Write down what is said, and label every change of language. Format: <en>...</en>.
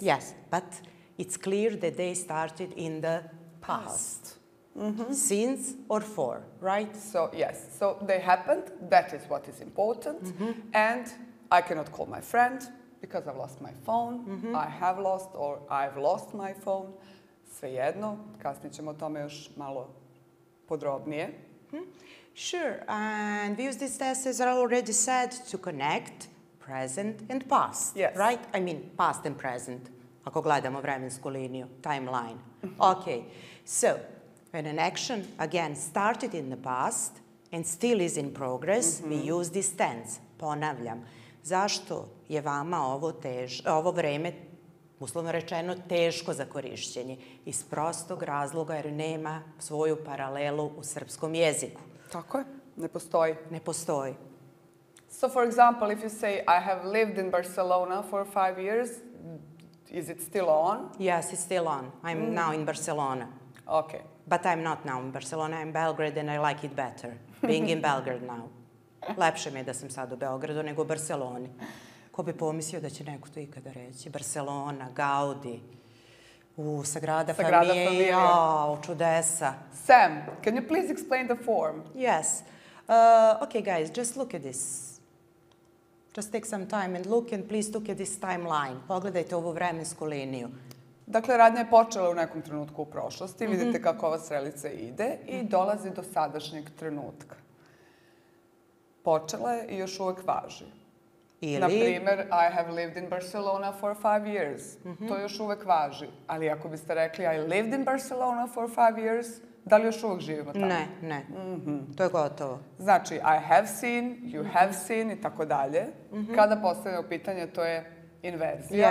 <en>Yes, but... It's clear that they started in the past. since or for, right? So, yes. So, they happened. That is what is important. Mm-hmm. And I cannot call my friend because I've lost my phone. Mm-hmm. I have lost or I've lost my phone.</en> <sr>Svejedno. Kasnije ćemo o tome još malo podrobnije. Sure. And we use these tests, as I already said, to connect present and past. Yes.</sr> <en>Right? I mean, past and present.</en> <sr>Ako gledamo vremensku liniju,</sr> <en>timeline. Okay. So, when an action, again, started in the past and still is in progress, we use this tense.</en> <sr>Ponavljam. Zašto je vama ovo vreme, uslovno rečeno, teško za korišćenje? Iz prostog razloga jer nema svoju paralelu u srpskom jeziku. Tako je. Ne postoji. Ne postoji.</sr> <en>So, for example, if you say, I have lived in Barcelona for 5 years, is it still on? Yes, it's still on. I'm now in Barcelona. Okay. But I'm not now in Barcelona, I'm in Belgrade and I like it better. Being in Belgrade now.</en> <sr>Lepše mi je da sam sad u Beogradu nego u Barceloni. Ko bi pomislio da će neko to ikada reći? Barcelona, Gaudi, Sagrada Familia. Sagrada Familia. Oh, čudesa.</sr> <en>Sam, can you please explain the form? Yes. Okay, guys, just look at this. Just take some time and look and please look at this timeline.</en> <sr>Pogledajte ovu vremensku liniju. Dakle, radnja je počela u nekom trenutku u prošlosti. Mm-hmm. Vidite kako ova strelica ide i dolazi do sadašnjeg trenutka. Počela je i još uvek važi. Ili? Naprimer,</sr> <en>I have lived in Barcelona for 5 years.</en> <sr>Mm-hmm. To još uvek važi. Ali ako biste rekli</sr> <en>I lived in Barcelona for 5 years,</en> <sr>da li još uvek živimo tamo? Ne, ne. Mm-hmm. To je gotovo. Znači,</sr> <en>I have seen, you have seen</en> <sr>i tako dalje. Kada postavljamo pitanje, to je inverzija.</sr>